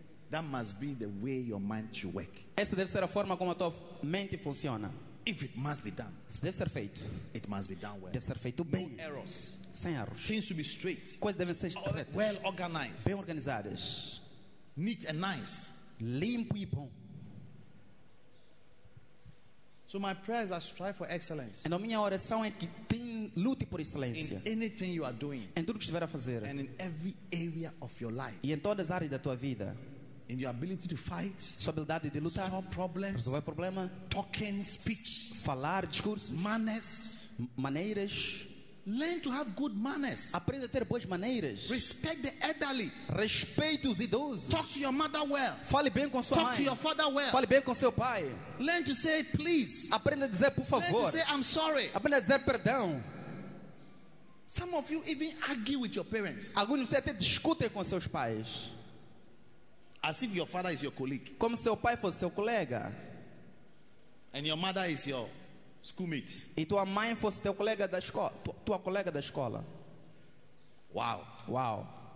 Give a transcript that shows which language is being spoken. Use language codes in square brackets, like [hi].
[en] That must be the way your mind should work. [pt] Essa deve ser a forma como a tua mente funciona. [en] If it must be done, [pt] deve ser feito. [en] It must be done well. [pt] Deve ser feito bem. [en] No errors, [pt] sem erros. [en] Things should be straight. [pt] Coisas devem ser retas. [en] Well organized, [pt] bem organizadas. [en] Neat and nice, [pt] limpo e bom. [en] So my prayer is I strive for excellence. [pt] And a minha oração é que tem lute por excelência. [en] In anything you are doing. [pt] Em tudo que estiver a fazer. [en] And in every area of your life. [pt] E em todas as áreas da tua vida. [en] In your ability to fight. [pt] Sua habilidade de lutar. [en] Solve problems. [pt] Resolver problema. [en] Talking, speech. [pt] Falar, discursos. [en] Manners. [pt] Maneiras. [en] Learn to have good manners. [pt] Aprenda a ter boas maneiras. [en] Respect the elderly. [pt] Respeite os idosos. [en] Talk to your mother well. [pt] Fale bem com sua [en] Talk [pt] mãe. [en] To your father well. [pt] Fale bem com seu pai. [en] Learn to say please. [pt] Aprenda a dizer por favor. [en] Learn to say I'm sorry. [pt] Aprenda a dizer perdão. [en] Some of you even argue with your parents. [pt] Alguns de vocês até discutem com seus pais. [en] As if your father is your colleague. [pt] Como seu pai fosse seu colega. [en] And your mother is your schoolmate. [pt] E tua mãe fosse teu colega da escola, tua colega da escola. Wow. Wow.